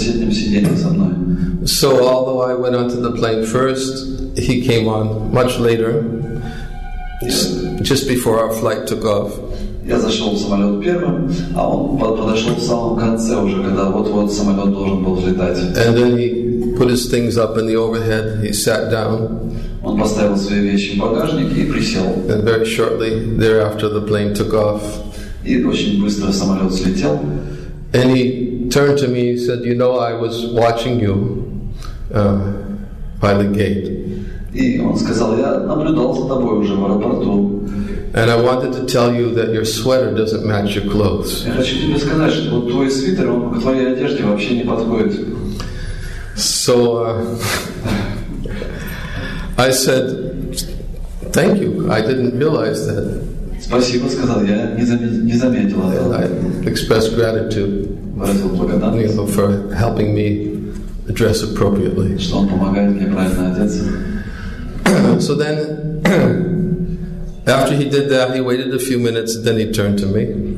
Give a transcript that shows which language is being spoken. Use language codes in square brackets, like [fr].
[en] So although I went onto the plane first, he came on much later, just before our flight took off. [ru] Я зашел в самолет первым, а он подошел в самом конце уже, когда вот-вот самолет должен был взлетать. [en] And then he put his things up in the overhead, he sat down. [ru] Он поставил свои вещи в багажник и присел. [en] And very shortly thereafter the plane took off. [ru] И очень быстро самолет взлетел. [en] And he turned to me and said, you know, I was watching you by the gate. [ru] И он сказал, я наблюдал за тобой уже в аэропорту. [en] And I wanted to tell you that your sweater doesn't match your clothes. [ru] Я хочу тебе сказать, что вот твой свитер, он к твоей одежде вообще не подходит. [en] So I said, thank you. I didn't realize that. [ru] Спасибо, сказал я, не заметил этого. [en] I expressed gratitude for helping me dress appropriately. [ru] Что он помогает мне правильно одеться. [en] So then. After he did that, he waited a few minutes, and then he turned to me.